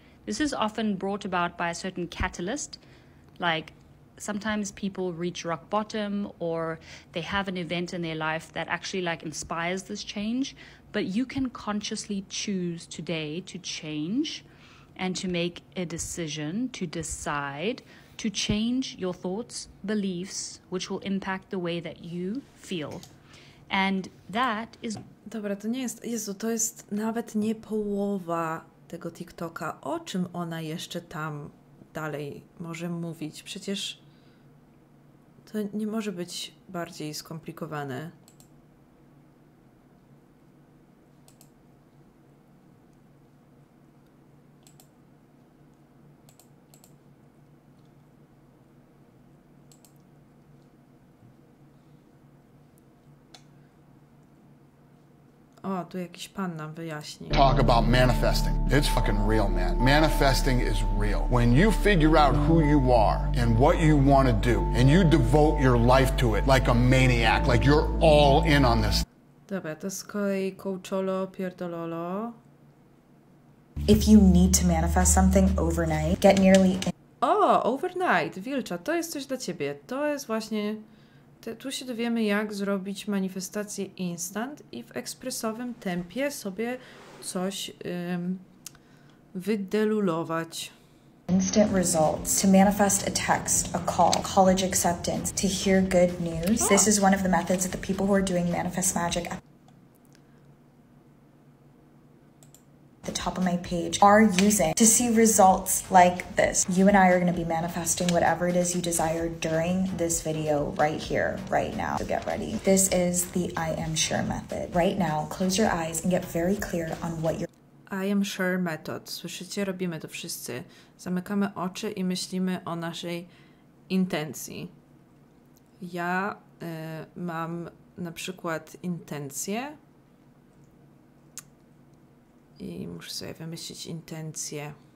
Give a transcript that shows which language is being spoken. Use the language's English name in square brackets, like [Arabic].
[English] This is often brought about by a certain catalyst. Like sometimes people reach rock bottom or they have an event in their life that actually like inspires this change. But you can consciously choose today to change and to make a decision to decide to change your thoughts, beliefs, which will impact the way that you feel. And that is... [Polish] Dobra, to nie jest... Jezu, to jest nawet nie połowa tego TikToka. O czym ona jeszcze tam dalej może mówić? Przecież to nie może być bardziej skomplikowane. O, tu jakiś pan nam wyjaśni. [English] Talk about manifesting. It's fucking real, man. Manifesting is real. When you figure out who you are and what you want to do and you devote your life to it like a maniac, like you're all in on this. [Polish] Dobra, to z kolei kołczolo pierdololo. [English] If you need to manifest something overnight, get nearly... [Polish] O, overnight, Wilcza, to jest coś dla ciebie. To jest właśnie... Tu się dowiemy, jak zrobić manifestację instant i w ekspresowym tempie sobie coś wydelulować. [English] Instant results. To manifest a text, a call, college acceptance, to hear good news. Oh. This is one of the methods that the people who are doing manifest magic at the top of my page are using to see results like this. You and I are going to be manifesting whatever it is you desire during this video right here, right now. So get ready. This is the I am sure method. Right now, close your eyes and get very clear on what you're... I am sure method. [Polish] Słyszycie? Robimy to wszyscy. Zamykamy oczy i myślimy o naszej intencji. Ja mam na przykład intencję... I muszę sobie wymyślić intencję.